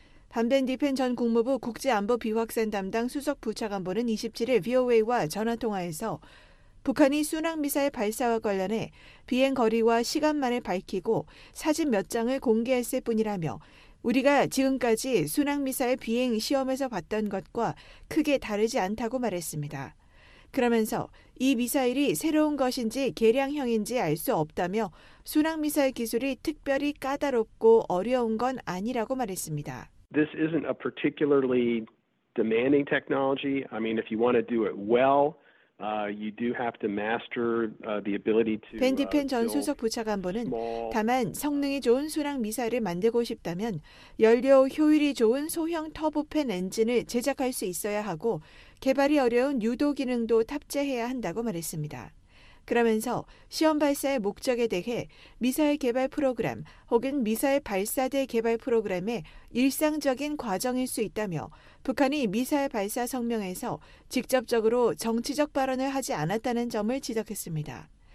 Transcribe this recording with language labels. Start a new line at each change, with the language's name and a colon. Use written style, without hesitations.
Korean: 반벤 디펜 전 국무부 국제안보비확산 담당 수석부차관보는 27일 VOA와 전화통화에서 북한이 순항미사일 발사와 관련해 비행 거리와 시간만을 밝히고 사진 몇 장을 공개했을 뿐이라며 우리가 지금까지 순항미사일 비행 시험에서 봤던 것과 크게 다르지 않다고 말했습니다. 그러면서 이 미사일이 새로운 것인지 개량형인지 알 수 없다며 순항미사일 기술이 특별히 까다롭고 어려운 건 아니라고 말했습니다.
English: This isn't a particularly demanding technology. I mean, if you want to do it well, you do have to master the ability to.
Korean: 벤 디펜 전 수석 부차관보는 다만 성능이 좋은 순항 미사일을 만들고 싶다면 연료 효율이 좋은 소형 터보팬 엔진을 제작할 수 있어야 하고 개발이 어려운 유도 기능도 탑재해야 한다고 말했습니다. 그러면서 시험 발사의 목적에 대해 미사일 개발 프로그램 혹은 미사일 발사대 개발 프로그램의 일상적인 과정일 수 있다며 북한이 미사일 발사 성명에서 직접적으로 정치적 발언을 하지 않았다는 점을 지적했습니다.